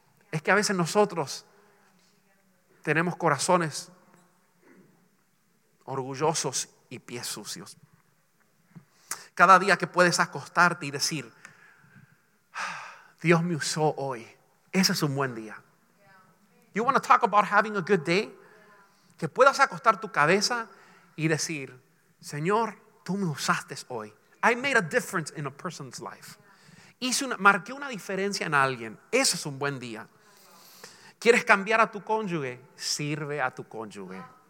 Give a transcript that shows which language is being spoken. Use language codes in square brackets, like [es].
[es] Es que a veces nosotros tenemos corazones orgullosos y pies sucios. Cada día que puedes acostarte y decir, Dios me usó hoy, ese es un buen día. [en] You want to talk about having a good day? [es] Que puedas acostar tu cabeza y decir, Señor, tú me usaste hoy. [en] I made a difference in a person's life. [es] Marqué una diferencia en alguien. Ese es un buen día. ¿Quieres cambiar a tu cónyuge? Sirve a tu cónyuge.